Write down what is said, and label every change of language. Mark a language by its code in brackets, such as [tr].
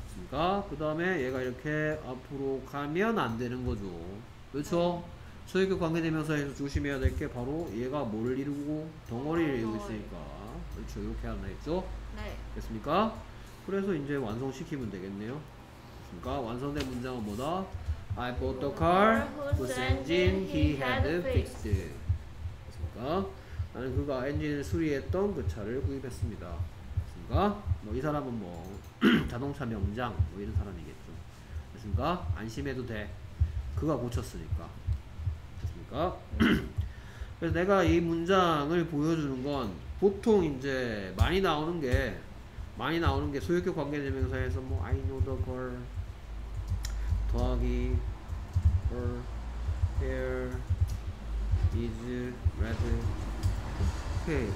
[ko] 그러니까 그 다음에 얘가 이렇게 앞으로 가면 안 되는 거죠. 그렇죠. 네. 소유격 관계대명사에서 조심해야 될 게 바로 얘가 뭐를 이루고 덩어리를 이루고 있으니까 그렇죠. 이렇게 하나 했죠. 네. 됐습니까? 그래서 이제 완성시키면 되겠네요. 그러니까 완성된 문장은 뭐다? [en] I bought the car whose engine he had fixed. [ko] 됐습니까? 나는 그가 엔진을 수리했던 그 차를 구입했습니다. 됐습니까? 뭐 이 사람은 뭐 자동차 명장 뭐 이런 사람이겠죠. 됐습니까? 안심해도 돼. 그가 고쳤으니까. 됐습니까? 그래서 내가 이 문장을 보여주는 건 보통 이제 많이 나오는 게 소유격 관계대명사에서 뭐 [en] I know the girl [ko] 더하기 [en] her hair is red [ko] 오케이.